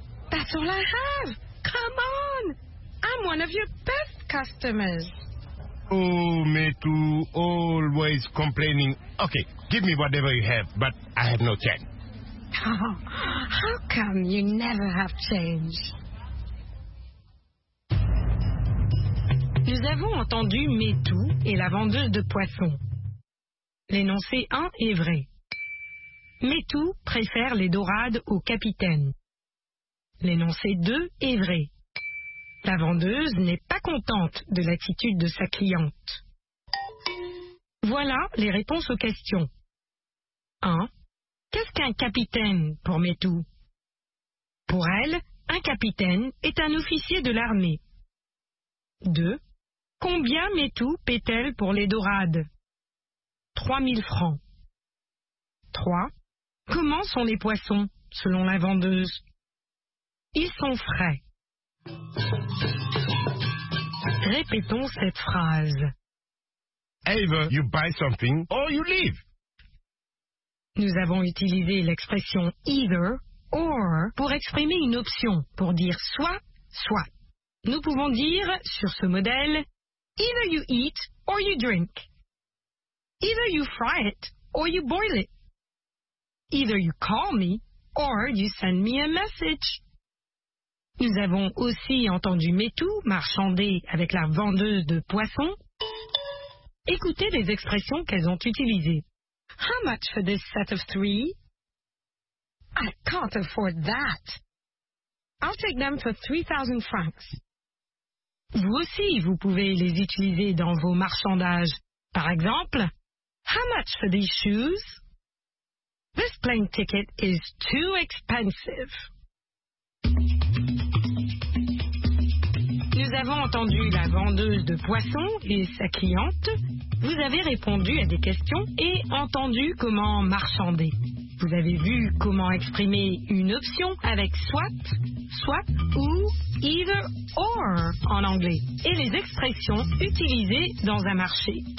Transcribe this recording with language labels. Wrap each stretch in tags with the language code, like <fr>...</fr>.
<en>That's all I have. Come on. I'm one of your best customers. Oh, Métou, always complaining. Okay, give me whatever you have, but I have no change. How come you never have change?</en> <fr>Nous avons entendu Métou et la vendeuse de poissons. L'énoncé 1 est vrai. Métou préfère les dorades au capitaine. L'énoncé 2 est vrai. La vendeuse n'est pas contente de l'attitude de sa cliente. Voilà les réponses aux questions. 1. Qu'est-ce qu'un capitaine pour Métou? Pour elle, un capitaine est un officier de l'armée. 2. Combien Métou paie-t-elle pour les dorades? 3000 francs. 3. Comment sont les poissons, selon la vendeuse? Ils sont frais. Répétons cette phrase.</fr> <en>Either you buy something or you leave.</en> <fr>Nous avons utilisé l'expression either or pour exprimer une option, pour dire soit, soit. Nous pouvons dire, sur ce modèle,</fr> <en>either you eat or you drink. Either you fry it or you boil it. Either you call me or you send me a message.</en> <fr>Nous avons aussi entendu Métou marchander avec la vendeuse de poissons. Écoutez les expressions qu'elles ont utilisées.</fr> <en>How much for this set of three? I can't afford that. I'll take them for 3,000 francs.</en> <fr>Vous aussi, vous pouvez les utiliser dans vos marchandages. Par exemple,</fr> <en>how much for these shoes? This plane ticket is too expensive.</en> <fr>Nous avons entendu la vendeuse de poissons et sa cliente. Vous avez répondu à des questions et entendu comment marchander. Vous avez vu comment exprimer une option avec soit, soit ou either or en anglais et les expressions utilisées dans un marché.</fr>